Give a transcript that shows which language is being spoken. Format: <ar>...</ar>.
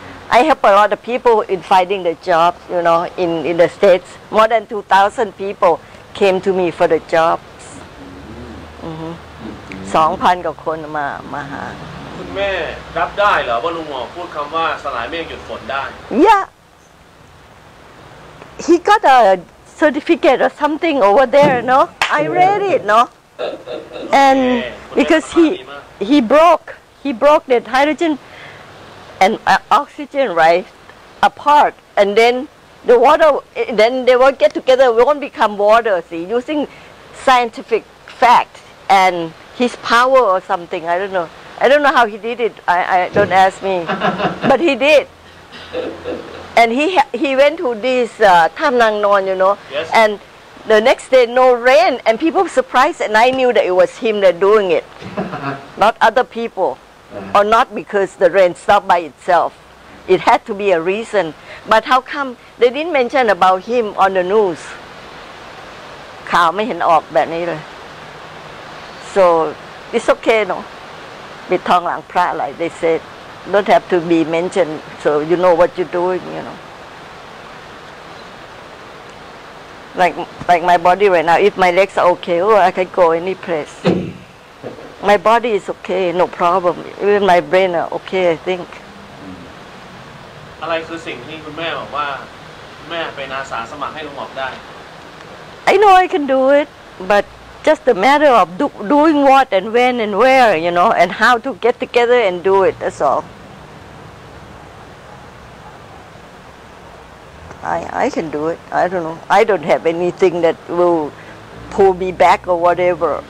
<en>I help a lot of people in finding the job, you know, in the States. More than 2,000 people came to me for the jobs.</en> <th>2,000 กว่าคนมาหา คุณแม่รับได้เหรอว่าลุงหมอพูดคำว่าสลายเมฆหยุดฝนได้</th> <en>Yeah. He got a... certificate or something over there, no? I read it, no? And because he broke the hydrogen and oxygen, right, apart, and then the water, then they won't get together, won't become water, see, using scientific fact and his power or something, I don't know. I don't know how he did it, I don't ask me, but he did. And he went to this Tham Nang Non, you know, yes. And the next day no rain and people were surprised and I knew that it was him that doing it, not other people, or not because the rain stopped by itself. It had to be a reason. But how come they didn't mention about him on the news?</en> <th>ข่าวไม่เห็นออกแบบนี้เลย</th> <en>So it's okay, no?</en> <th>ปิดทองหลังพระอะไร</th> <en>they said. Don't have to be mentioned, so you know what you're doing, you know. Like my body right now, if my legs are okay, I can go any place. My body is okay, no problem. Even my brain are okay, I think.</en> <th>อะไรคือสิ่งที่คุณแม่บอกว่าแม่เป็นอาสาสมัครให้ลุงหมอกได้</th> <en>I know I can do it, but just the matter of doing what and when and where, you know, and how to get together and do it, that's all. I can do it. I don't know. I don't have anything that will pull me back or whatever.</en>